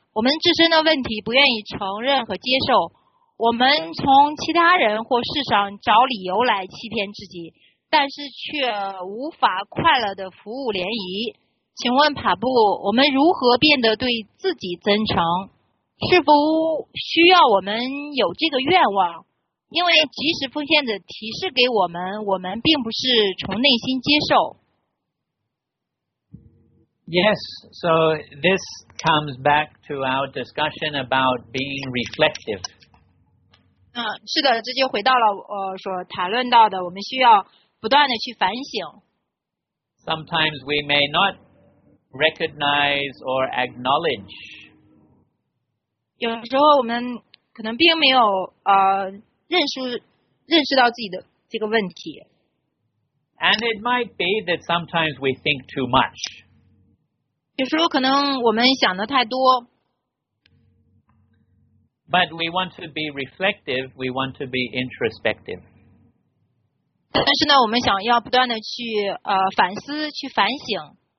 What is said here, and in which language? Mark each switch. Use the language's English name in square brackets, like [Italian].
[Chinese] 我们自身的问题不愿意承认和接受我们从其他人或世上找理由来欺骗自己但是却无法快乐地服务联谊请问帕布我们如何变得对自己真诚是否需要我们有这个愿望因为即使奉献者提示给我们我们并不是从内心接受 [English] Yes, so this comes back to our discussion about being reflective. [Chinese] 是的，这就回到了所谈论到的，我们需要不断的去反省。 [English] Sometimes we may not recognize or acknowledge. [Chinese] 有时候我们可能并没有认识到自己的这个问题。 [English] And it might be that sometimes we think too much. [Chinese] 有时候可能我们想的太多。 [English] But we want to be reflective, we want to be introspective. [Chinese] 但是呢我们想要不断的去反思去反省。